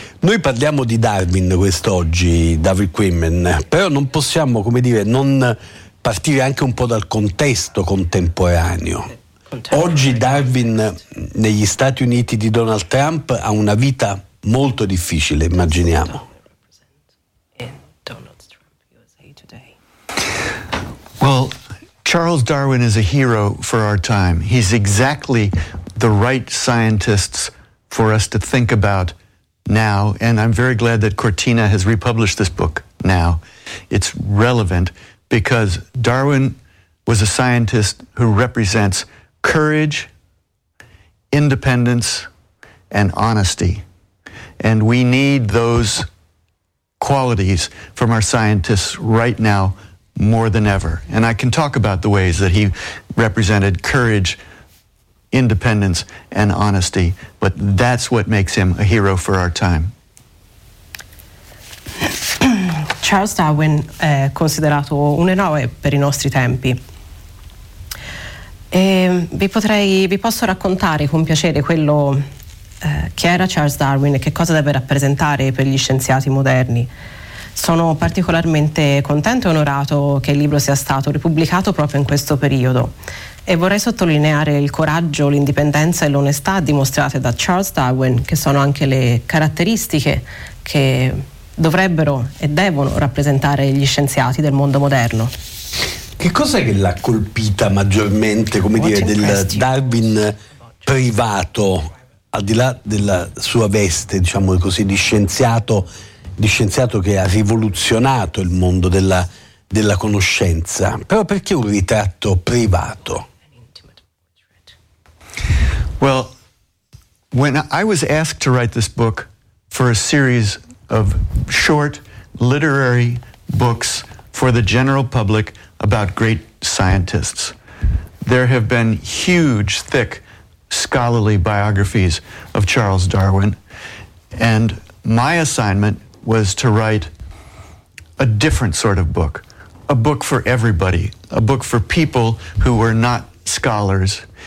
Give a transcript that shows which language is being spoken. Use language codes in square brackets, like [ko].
[it] Noi parliamo di Darwin quest'oggi, David Quinman, però non possiamo, come dire, non partire anche un po' dal contesto contemporaneo. Oggi Darwin negli Stati Uniti di Donald Trump ha una vita molto difficile, immaginiamo. [en] Well, Charles Darwin is a hero for our time. He's exactly the right scientist for us to think about now, and I'm very glad that Cortina has republished this book now. It's relevant because Darwin was a scientist who represents courage, independence, and honesty. And we need those qualities from our scientists right now, more than ever. And I can talk about the ways that he represented courage, independence, and honesty, but that's what makes him a hero for our time. [it] Charles Darwin è considerato un eroe per i nostri tempi. E vi posso raccontare con piacere quello chi era Charles Darwin e che cosa deve rappresentare per gli scienziati moderni. Sono particolarmente contento e onorato che il libro sia stato ripubblicato proprio in questo periodo e vorrei sottolineare il coraggio, l'indipendenza e l'onestà dimostrate da Charles Darwin, che sono anche le caratteristiche che dovrebbero e devono rappresentare gli scienziati del mondo moderno. Che cosa è che l'ha colpita maggiormente, come dire, del Darwin privato, al di là della sua veste, diciamo così, di scienziato che ha rivoluzionato il mondo della conoscenza, però perché un ritratto privato? [en] Well, when I was asked to write this book for a series of short literary books for the general public about great scientists, there have been huge, thick, scholarly biographies of Charles Darwin, and my assignment was to write a different sort of book, a book for everybody, a book for people who were not scholars.